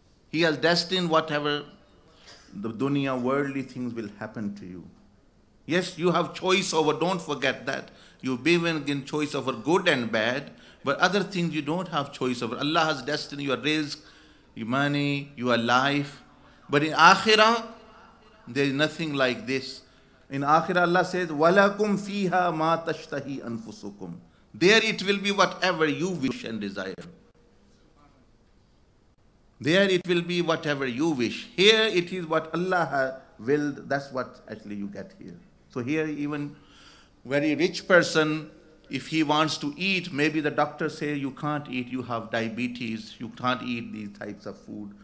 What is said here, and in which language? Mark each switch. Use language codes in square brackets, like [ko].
[en] He has destined whatever the dunya, worldly things will happen to you. Yes, you have choice over, don't forget that. You've been given choice over good and bad, but other things you don't have choice over. Allah has destined your rizq, your money, your life. But in Akhirah, there is nothing like this. In Akhirah, Allah says, [ar] وَلَكُمْ فِيهَا مَا تَشْتَهِي أَنفُسُكُمْ. [en] There it will be whatever you wish and desire. There it will be whatever you wish. Here it is what Allah has willed. That's what actually you get here. So here even very rich person, if he wants to eat, maybe the doctor says you can't eat, you have diabetes, you can't eat these types of food.